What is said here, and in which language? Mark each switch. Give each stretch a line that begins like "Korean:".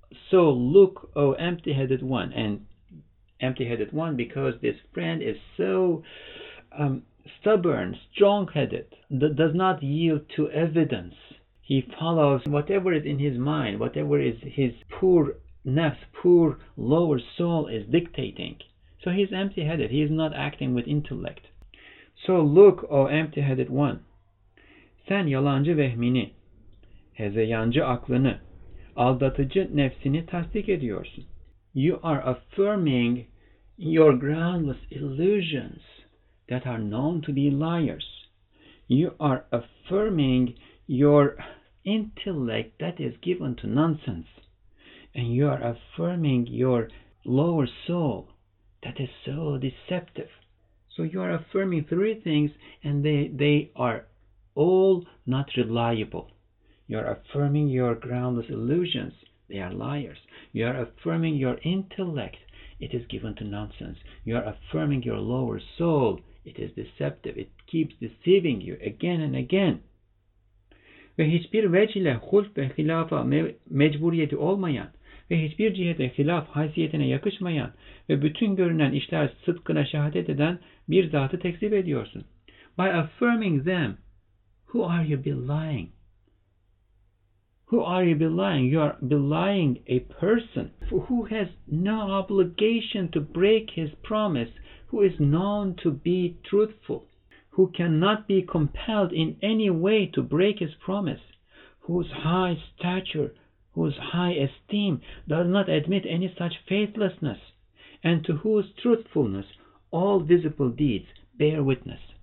English: So look, O empty-headed one. And empty-headed one because this friend is so stubborn, strong-headed, does not yield to evidence. He follows whatever is in his mind, whatever is his poor nafs, poor lower soul is dictating. So he's empty-headed. He is not acting with intellect. So look, O empty-headed one,
Turkish: sen yalancı vehmini, hezeyancı aklını, aldatıcı nefsini tasdik ediyorsun.
English: You are affirming your groundless illusions that are known to be liars. You are affirming your intellect that is given to nonsense. And you are affirming your lower soul that is so deceptive. So you are affirming three things, and they are all not reliable. You are affirming your groundless illusions. They are liars. You are affirming your intellect. It is given to nonsense. You are affirming your lower soul. It is deceptive. It keeps deceiving you again and again.
Turkish: Ve hiçbir vec ile hulf ve hilafa mecburiyeti olmayan ve hiçbir cihete hilaf haysiyetine yakışmayan ve bütün görünen işler sıdkına şehadet eden bir zatı tekzip ediyorsun.
English: By affirming them, who are you belying? Who are you belying? You are belying a person who has no obligation to break his promise, who is known to be truthful, who cannot be compelled in any way to break his promise, whose high stature, whose high esteem does not admit any such faithlessness, and to whose truthfulness all visible deeds bear witness.